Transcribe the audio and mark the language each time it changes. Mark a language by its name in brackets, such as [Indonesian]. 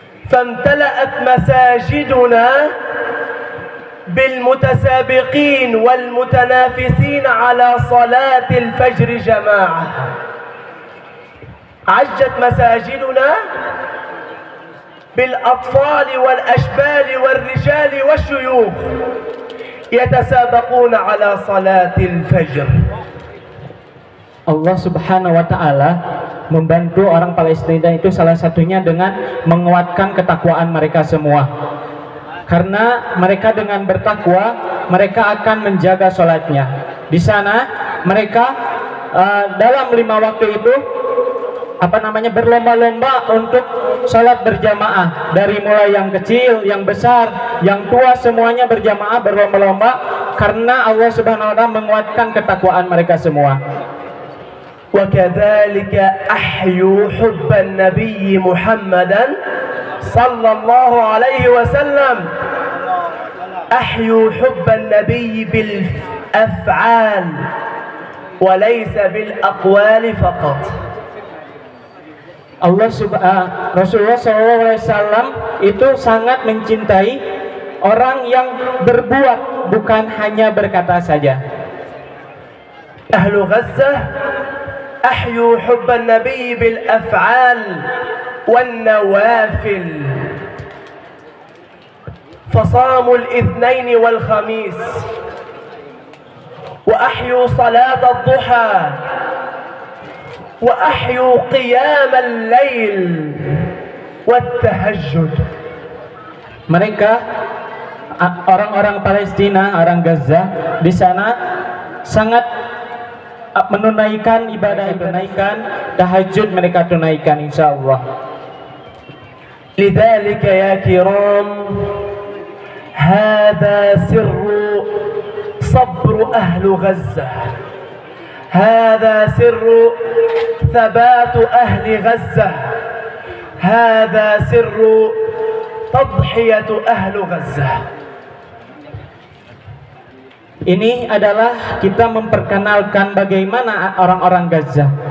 [Arabic] فامتلأت مساجدنا بالمتسابقين والمتنافسين على صلاة الفجر جماعة. عجت مساجدنا بالأطفال والأشبال والرجال والشيوخ يتسابقون على صلاة الفجر. [Indonesian] Allah Subhanahu wa taala membantu orang Palestina itu salah satunya dengan menguatkan ketakwaan mereka semua. Karena mereka dengan bertakwa, mereka akan menjaga salatnya. Di sana mereka dalam lima waktu itu berlomba-lomba untuk salat berjamaah, dari mulai yang kecil, yang besar, yang tua, semuanya berjamaah berlomba-lomba karena Allah Subhanahu wa taala menguatkan ketakwaan mereka semua. [Arabic] وكذلك أحيوا حب النبي محمدا صلى الله عليه وسلم أحيوا حب النبي بالأفعال وليس بالأقوال فقط. [Indonesian] Allah Rasulullah SAW itu sangat mencintai orang yang berbuat bukan hanya berkata saja. [Arabic] أهل غزة أحيوا حب النبي بالأفعال والنوافل فصاموا الاثنين والخميس وأحيوا صلاة الضحى وأحيوا قيام الليل والتهجد. [Indonesian] Mereka orang-orang Palestina, orang Gaza di sana sangat menunaikan ibadah, menunaikan tahajud, mereka tunaikan insyaallah. [Arabic] لذلك يا كرام هذا سر صبر اهل غزه هذا سر ثبات اهل غزه هذا سر تضحيه اهل غزه. [Indonesian] Ini adalah kita memperkenalkan bagaimana orang-orang Gaza.